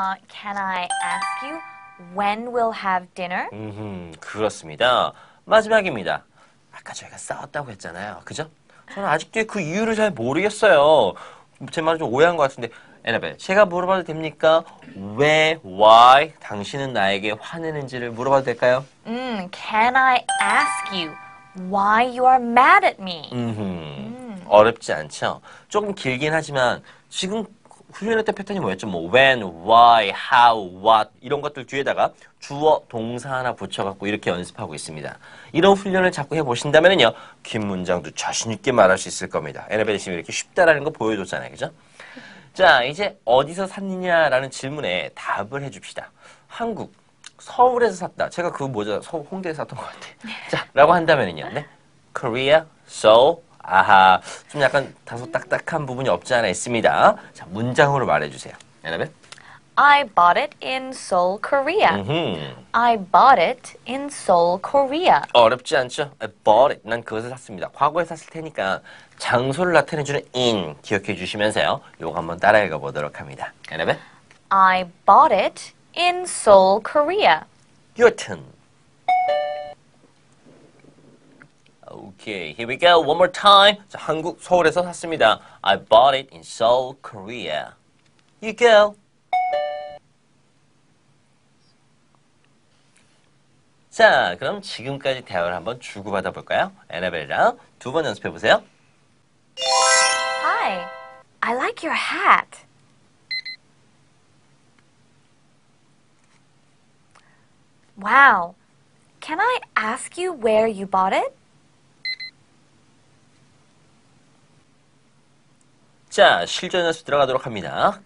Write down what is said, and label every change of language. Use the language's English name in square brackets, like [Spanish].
[English] Can I ask you when we'll have dinner? [Korean] 그렇습니다. 마지막입니다. 아까 저희가 싸웠다고 했잖아요. 그죠? 저는 아직도 그 이유를 잘 모르겠어요. 제 말을 좀 오해한 것 같은데 에나벨, 제가 물어봐도 됩니까? 왜, why 당신은 나에게 화내는지를 물어봐도 될까요? [English] Can I ask you why you are mad at me? [Korean] 어렵지 않죠? 조금 길긴 하지만 지금 훈련할 때 패턴이 뭐였죠? 뭐 when, why, how, what 이런 것들 뒤에다가 주어, 동사 하나 붙여갖고 이렇게 연습하고 있습니다. 이런 훈련을 자꾸 해보신다면요, 긴 문장도 자신 있게 말할 수 있을 겁니다. 에너베이 씨가 이렇게 쉽다라는 거 보여줬잖아요, 그죠? 자, 이제 어디서 샀느냐라는 질문에 답을 해줍시다. 한국, 서울에서 샀다. 제가 그 뭐죠? 서울 홍대에서 샀던 것 같아요. 자, 라고 한다면요. 네? Korea, Seoul, 아하, 좀 약간 다소 딱딱한 부분이 없지 않아 있습니다. 자, 문장으로 말해주세요. 여러분. [English] I bought it in Seoul, Korea. Mm-hmm. I bought it in Seoul, Korea. [Korean] 어렵지 않죠? [English] I bought it. [Korean] 난 그것을 샀습니다. 과거에 샀을 테니까 장소를 나타내주는 in 기억해 주시면서요. 요거 한번 따라 읽어보도록 합니다. 여러분. [English] I bought it in Seoul, Korea. Your turn. Okay, here we go. One more time. [Korean] 자, 한국 서울에서 샀습니다. [English] I bought it in Seoul, Korea. You go. [Korean] So, 그럼 지금까지 대화를 한번 주고받아 볼까요? 애나벨이랑 두 번 연습해 보세요. [English] Hi, I like your hat. Wow, can I ask you where you bought it? [Korean] 자, 실전 연습 들어가도록 합니다.